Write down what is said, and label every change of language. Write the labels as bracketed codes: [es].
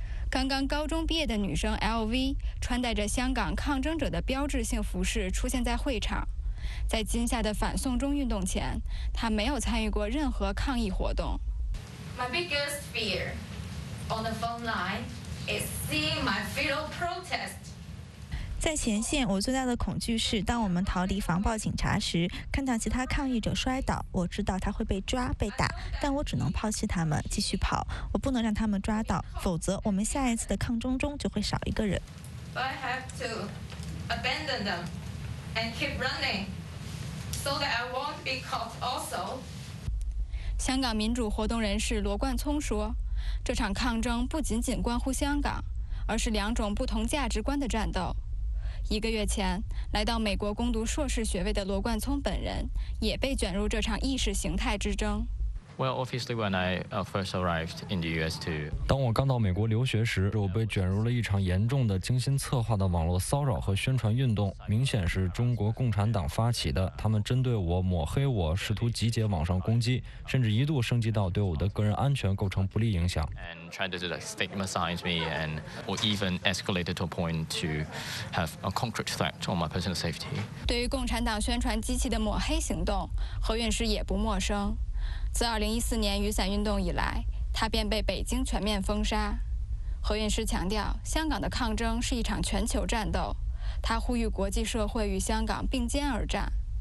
[zh] 刚刚高中毕业的女生 LV 穿戴着香港抗争者的标志性服饰出现在会场，在今夏的反送中运动前，她没有参与过任何抗议活动。 [en] My biggest fear on the phone line is seeing my fellow protest. [zh] 在前线，我最大的恐惧是当我们逃离防暴警察时，看到其他抗议者摔倒，我知道他会被抓被打，但我只能抛弃他们继续跑，我不能让他们抓到，否则我们下一次的抗争中就会少一个人。 [en] I have to abandon them and keep running so that I won't be caught also. [zh] 香港民主活动人士罗冠聪说，这场抗争不仅仅关乎香港，而是两种不同价值观的战斗。一个月前，来到美国攻读硕士学位的罗冠聪本人也被卷入这场意识形态之争。 [en] Well, obviously, when I first arrived in the U.S. too. [zh] 当我刚到美国留学时，我被卷入了一场严重的、精心策划的网络骚扰和宣传运动，明显是中国共产党发起的。他们针对我、抹黑我，试图集结网上攻击，甚至一度升级到对我的个人安全构成不利影响。 [en] And tried to like stigmatize me, and or even escalated to a point to have a concrete threat on my personal safety. [zh] 对于共产党宣传机器的抹黑行动，何院士也不陌生。自2014年雨伞运动以来，他便被北京全面封杀。何韵诗强调，香港的抗争是一场全球战斗，他呼吁国际社会与香港并肩而战。